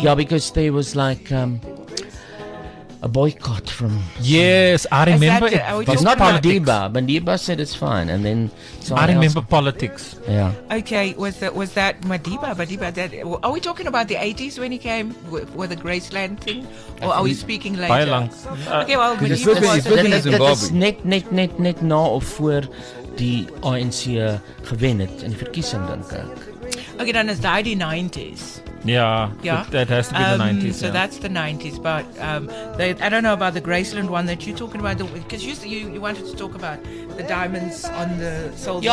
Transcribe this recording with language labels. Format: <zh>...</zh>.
<en>Yeah, because there was like... a boycott from... Yes, I remember it. It's not Madiba. Madiba said it's fine. And then... I remember politics. Yeah. Okay, was that Madiba? Madiba, that, are we talking about the 80s when he came with the Graceland thing? Or are we speaking later? Bylang. Okay, well, Madiba was...</en> <af>Net na of voor die ANC gewen het in die verkiesing, dink ek. Okay, dan is daai die 90s.</af> <en>Yeah, that has to be the 90s. So that's the 90s, but I don't know about the Graceland one that you're talking about, because you wanted to talk about the diamonds on the soldiers.</en>